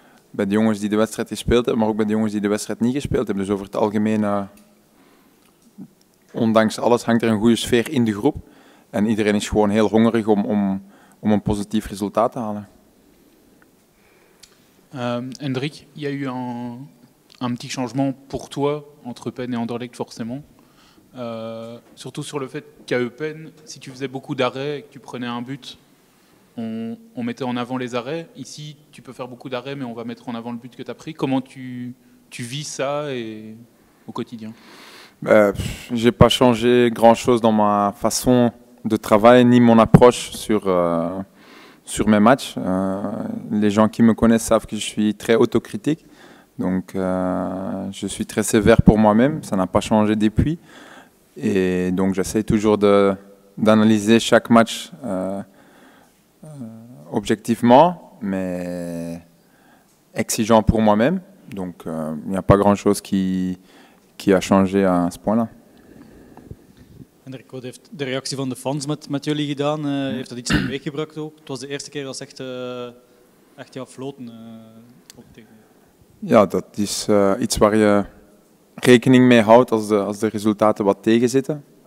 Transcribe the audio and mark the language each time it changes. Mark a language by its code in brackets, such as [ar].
[nl] Bij de jongens die de wedstrijd gespeeld hebben, maar ook bij de jongens die de wedstrijd niet gespeeld hebben. Dus over het algemeen, ondanks alles, hangt er een goede sfeer in de groep. En iedereen is gewoon heel hongerig om een positief resultaat te halen. [fr] Hendrik, il y a eu un petit changement pour toi entre Eupen et Anderlecht, forcément. Surtout sur le fait qu'à Eupen, si tu faisais beaucoup d'arrêts et que tu prenais un but, on mettait en avant les arrêts. Ici, tu peux faire beaucoup d'arrêts, mais on va mettre en avant le but que tu as pris. Comment tu vis ça et au quotidien? J'ai pas changé grand-chose dans ma façon de travail ni mon approche sur... sur mes matchs. Les gens qui me connaissent savent que je suis très autocritique. Donc je suis très sévère pour moi-même. Ça n'a pas changé depuis. Et donc j'essaie toujours d'analyser chaque match objectivement, mais exigeant pour moi-même. Donc il n'y a pas grand-chose qui a changé à ce point-là. [nl] Hendrik, wat heeft de reactie van de fans met jullie gedaan? Heeft dat iets teweeg gebracht ook? Het was de eerste keer dat ze echt jouw floten op tegen. Ja, dat is iets waar je rekening mee houdt als de resultaten wat tegenzitten.